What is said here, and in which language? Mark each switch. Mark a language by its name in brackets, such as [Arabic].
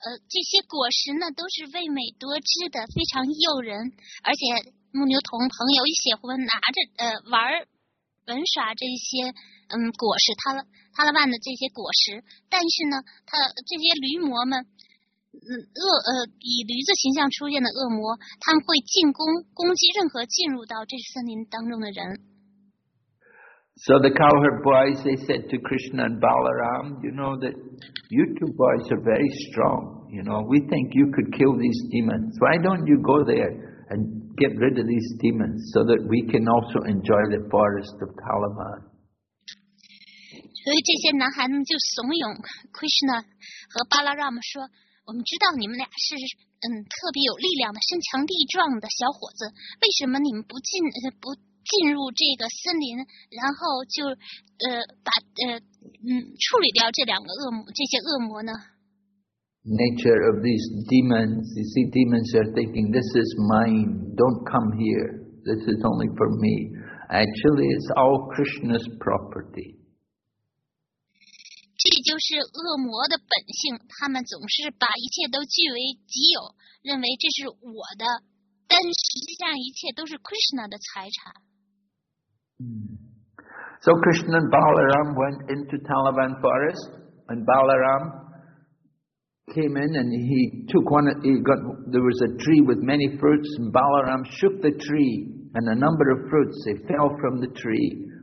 [Chinese] 这些果实呢都是味美多汁的，非常诱人，而且牧牛童朋友喜欢拿着玩耍这些果实，塔拉万的这些果实。但是呢，他这些驴魔们，以驴子形象出现的恶魔，他们会进攻击任何进入到这森林当中的人。 [English] So the cowherd boys, they said to Krishna and Balaram, you know that you two boys are very strong. You know, we think you could kill these demons. Why don't you go there and get rid of these demons so that we can also enjoy the forest of Talavan? So these boys are very strong. Krishna and Balaram said, [Chinese] 我们知道你们俩是特别有力量的身强力壮的小伙子，为什么你们不进入这个森林，然后就处理掉这些恶魔呢？ [English] Nature of these demons, you see, demons are thinking this is mine. Don't come here. This is only for me. Actually, it's all Krishna's property. [Chinese] 这就是恶魔的本性，他们总是把一切都据为己有，认为这是我的，但实际上一切都是 Krishna 的财产。 [English] So Krishna and Balaram went into Talavan forest, and Balaram came in and he took one, he got, there was a tree with many fruits, and Balaram shook the tree, and a number of fruits, they fell from the tree.